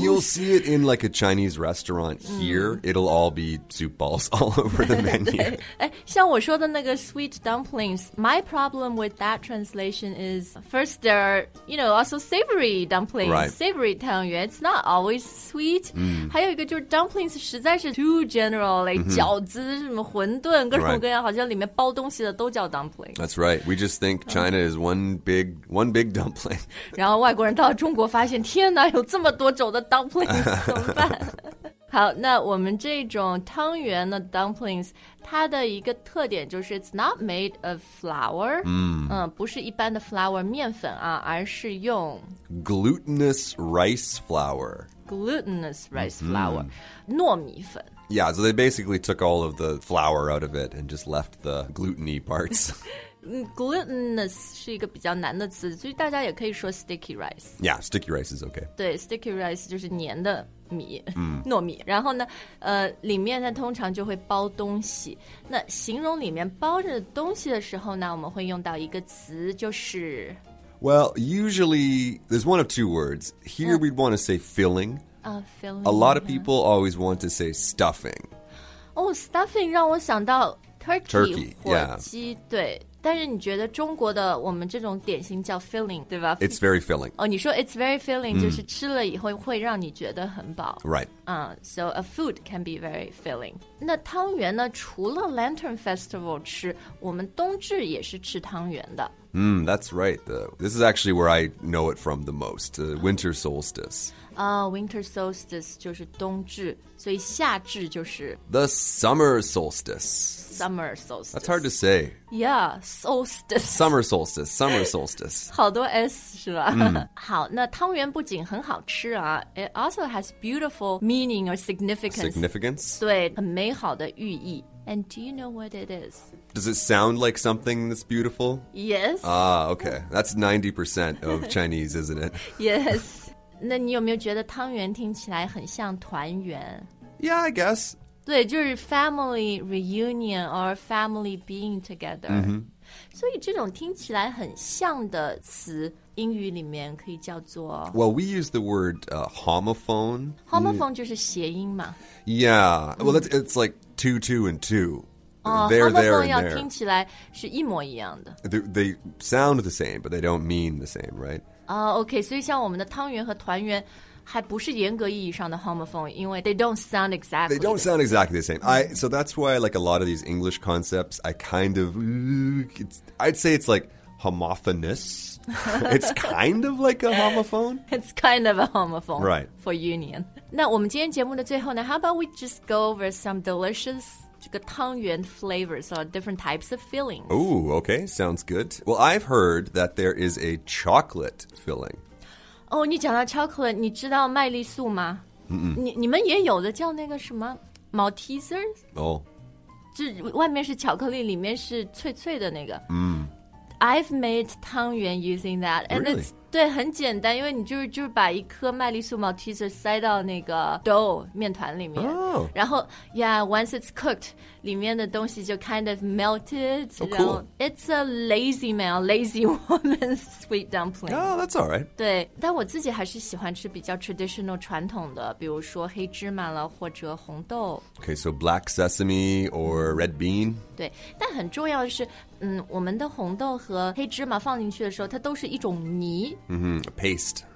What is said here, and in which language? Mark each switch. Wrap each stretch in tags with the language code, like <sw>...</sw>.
<en>You'll see it in like a Chinese restaurant here. It'll all be soup balls all over the menu.</en> <zh>对，像我说的那个</zh> <en>sweet dumplings, my problem with that translation is first there are, you know, also savory dumplings,、 right. savory 汤圆 It's not always sweet.、 Mm.</en> <zh>还有一个就是 dumplings 实在是</zh> <en>too general, like、</en> <zh>mm-hmm. 饺子什么馄饨各种各样、</zh> <en>right.</en> <zh>好像里面包东西的都叫 dumplings.</zh> <en>That's right. We just think China is one big dumpling.</en> <zh>然后外国人到中国发现天哪有这么多种的 dumplings, 怎么办好那我们这种汤圆的 dumplings, 它的一个特点就是</zh> <en>it's not made of flour,、</en> <zh>不是一般的 flour 面粉啊而是用</zh> <en>glutinous rice flour, glutinous rice flour,、糯米粉。 Yeah, so they basically took all of the flour out of it and just left the gluten-y parts.</en> <zh>Glutinous 是一个比较难的词，所以大家也可以说 sticky rice.</zh> <en>Yeah, sticky rice is okay.</en> <zh>对 ，sticky rice 就是粘的米，糯米。然后呢，里面它通常就会包东西。那形容里面包着东西的时候呢，我们会用到一个词，就是</zh> <en>Well, usually there's one of two words. Here we'd want to say filling. Filling. A lot of people always want to say stuffing.</en> <zh>Oh, stuffing 让我想到</zh> <en>turkey</en> <zh>火鸡、对。但是你觉得中国的我们这种点心叫 filling, 对吧?</zh> <en>It's very filling.</en> <zh>你说</zh> <en>it's very filling,</en> <zh>就是吃了以后会让你觉得很饱。</zh> <en>Right. So a food can be very filling.</en> <zh>那汤圆呢,除了 Lantern Festival 吃,我们冬至也是吃汤圆的。</zh> <en>That's right. This is actually where I know it from the most, the winter solstice.</en> <zh>Winter solstice 就是冬至,所以夏至就是...</zh> <en>The summer solstice. Summer solstice. That's hard to say. Yeah, solstice. Summer solstice, summer solstice.</en> <zh>好多 S 是吧、好，那汤圆不仅很好吃啊</zh> <en>it also has beautiful meaning or significance. Significance?</en> <zh>对，很美好的寓意。</zh> <en>And do you know what it is? Does it sound like something that's beautiful? Yes. Okay. That's 90% of Chinese, isn't it? Yes.</en> <zh>那你有没有觉得汤圆听起来很像团圆?</zh> <en>Yeah, I guess.</en> <zh>对，就是</zh> <en>family reunion or family being together.、</en> <zh>所以这种听起来很像的词，英语里面可以叫做</zh> <en>Well, we use the word homophone.</en> <zh>Homophone 就是谐音嘛。</zh> <en>Yeah, well, it's like two, two, and two. They're there and there.</en> <zh>要听起来是一模一样的。</zh> <en>They sound the same, but they don't mean the same, right?</en> <zh>Okay, 所以像我们的汤圆和团圆还不是严格意义上的 homophone, 因为</zh> <en>they don't sound exactly the same. So that's why like a lot of these English concepts, I'd say it's like homophonous. It's kind of like a homophone. It's kind of a homophone. Right. For union.</en> <zh>那我们今天节目的最后呢,</zh> <en>how about we just go over some delicious,</en> <zh>这个汤圆 flavors or different types of fillings.</zh> <en>Oh, okay, sounds good. Well, I've heard that there is a chocolate filling.</en> <zh>Oh, 你讲到 chocolate, 你知道麦丽素吗？你们也有的叫那个什么 Maltesers?</zh> <en>Oh.</en> <zh>就外面是巧克力，里面是脆脆的那个。</zh> <en>I've made 汤圆 using that. And really?</en> <zh>对，很简单，因为你就是把一颗麦丽素 Malteser 塞到那个 dough 面团里面。</zh> <en>Oh. 然后 yeah, once it's cooked,</en> <zh>里面的东西就</zh> <en>kind of melted. Oh, cool. It's a lazy man, lazy woman's sweet dumpling. Oh, that's all right.</en> <zh>对，但我自己还是喜欢吃比较 traditional 传统的，比如说黑芝麻了或者红豆。</zh> <en>Okay, so black sesame or red bean.</en> <zh>对，但很重要的是我们的红豆和黑芝麻放进去的时候，它都是一种泥。</zh> <en>A paste.</en>